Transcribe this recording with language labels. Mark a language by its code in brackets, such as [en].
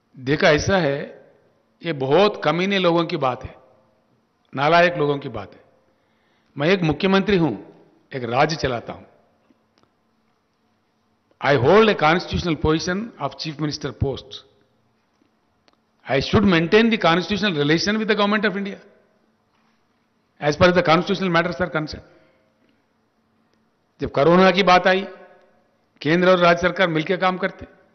[hi] देखा ऐसा है, ये बहुत कमीने लोगों की बात है, नालायक लोगों की बात है. मैं एक मुख्यमंत्री हूं, एक राज्य चलाता हूं. [en] I hold a constitutional position of chief minister post. I should maintain the constitutional relation with the government of India as far as the constitutional matters are concerned. [hi] जब कोरोना की बात आई, केंद्र और राज्य सरकार मिलकर काम करते.